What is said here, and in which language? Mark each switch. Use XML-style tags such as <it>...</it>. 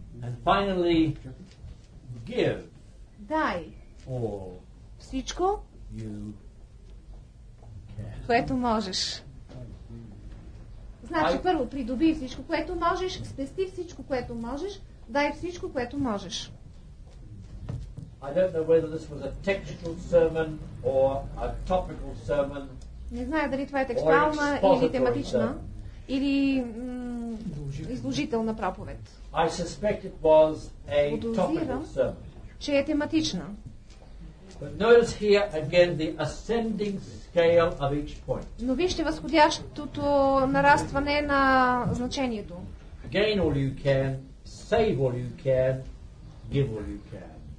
<en>And finally, give.</en> <bg>Дай.</bg> <en>All</en> <bg>всичко,</bg> <en>you can.</en> <bg>Което можеш. Значи, първо, придоби всичко, което можеш, спести всичко, което можеш, дай всичко, което можеш.</bg> <en>I don't know whether this was a textual sermon or a topical sermon.</en> <bg>Не знам дали това е текстуална или тематична, или изложителна проповед.</bg> <en>I suspect it was a topical sermon.</en> <bg>Че е тематична.</bg> <en>But notice here again the ascending scale of each point.</en> <bg>Но вижте възходящото нарастване на значението.</bg> <en>Gain all you can, save all you can, give all you can.</en>